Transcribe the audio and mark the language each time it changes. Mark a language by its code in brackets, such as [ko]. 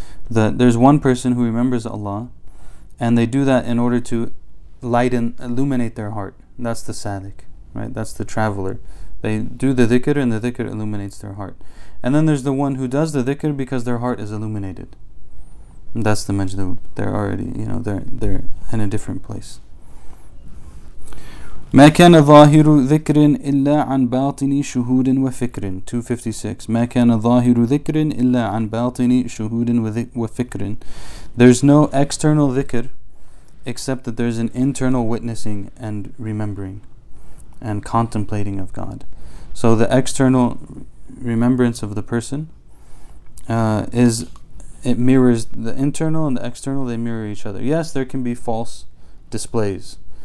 [en] That there's one person who remembers Allah, and they do that in order to lighten, illuminate their heart. That's the sadiq, right? That's the traveler. They do the dhikr, and the dhikr illuminates their heart. And then there's the one who does the dhikr because their heart is illuminated. And that's the majdub. They're already, you know, they're in a different place. [ar] ما كان ظاهر ذكر إلا عن باطن شهود وفكر. [en] 256. [ar] ما كان ظاهر ذكر إلا عن باطن شهود وفكر. [en] There's no external ذكر except that there's an internal witnessing and remembering and contemplating of God. So the external remembrance of the person it mirrors the internal and the external, they mirror each other. Yes, there can be false displays.